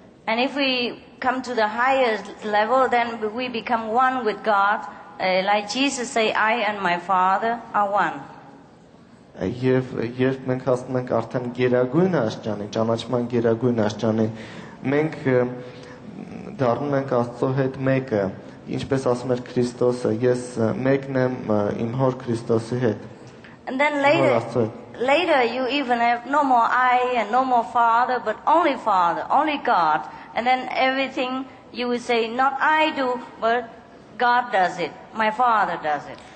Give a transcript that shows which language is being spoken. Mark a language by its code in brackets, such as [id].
[en] And if we come to the highest level, then we become one with God, like Jesus say, I and my Father are one. [hy] Եվ երբ մենք հասնում ենք արդեն գերագույն աստիճանի, ճանաչման գերագույն աստիճանի, մենք դառնում ենք Աստծո հետ մեկը, ինչպես ասում էր Քրիստոսը, ես մեկն եմ իմ Հոր Քրիստոսի հետ։ [en] And then later you even have no more I and no more Father, but only Father, only God. And then everything you will say, not I do, but God does it, my Father does it.